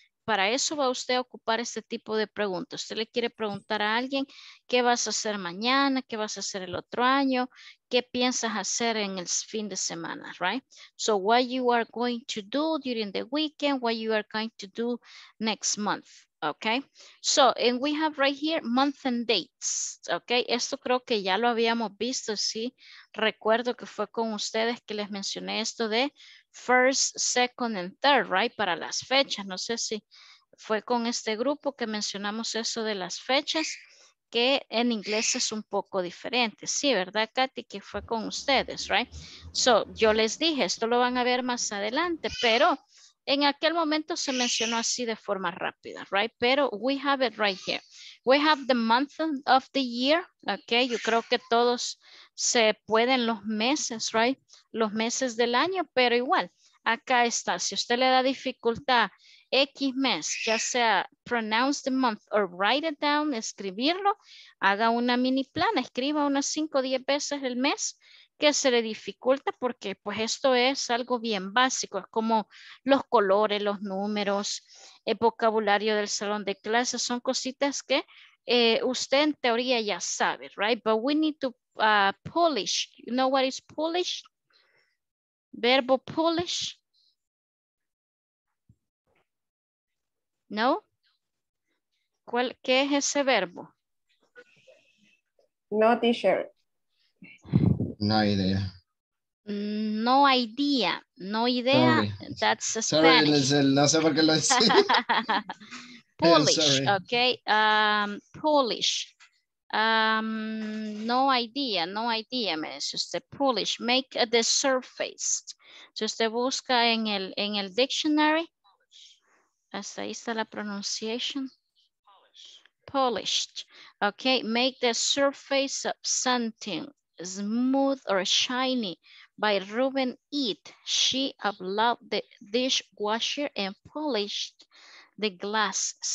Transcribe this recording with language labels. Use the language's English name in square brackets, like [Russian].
[Spanish] Para eso va usted a ocupar este tipo de preguntas. Usted le quiere preguntar a alguien, ¿qué vas a hacer mañana? ¿Qué vas a hacer el otro año? ¿Qué piensas hacer en el fin de semana? [English] Right? So what you are going to do during the weekend, what you are going to do next month. Okay? So, and we have right here, month and dates. Okay? [Spanish] Esto creo que ya lo habíamos visto, sí. Recuerdo que fue con ustedes que les mencioné esto de first, second, and third, right? Para las fechas. No sé si fue con este grupo que mencionamos eso de las fechas, que en inglés es un poco diferente. Sí, ¿verdad, Katy? Que fue con ustedes, right? So, yo les dije, esto lo van a ver más adelante, pero en aquel momento se mencionó así de forma rápida, right? [English] Pero we have it right here. We have the month of the year, okay? [Spanish] Yo creo que todos se pueden los meses, right? Los meses del año, pero igual, acá está. Si usted le da dificultad X mes, ya sea pronounce the month or write it down, escribirlo, haga una mini plan, escriba unas 5 o 10 veces el mes que se le dificulta porque pues esto es algo bien básico, es como los colores, los números, el vocabulario del salón de clases, son cositas que usted en teoría ya sabe, right? [English] But we need to polish, you know what is polish? Verbo polish, [Spanish] No. ¿Cuál, qué es ese verbo? [English] No, teacher. No idea. No idea. No idea. Sorry. That's a Spanish. [Spanish] Sorry, no sé por qué lo decía. [English] Polish, yeah, ok. Polish. No idea, no idea, me dice usted. Polish, make the surface. [Spanish] Si usted busca en el dictionary, hasta ahí está la pronunciation. [English] Polished. Ok, make the surface of something smooth or shiny. By Ruben Eat, she unloaded the dishwasher and polished the glass.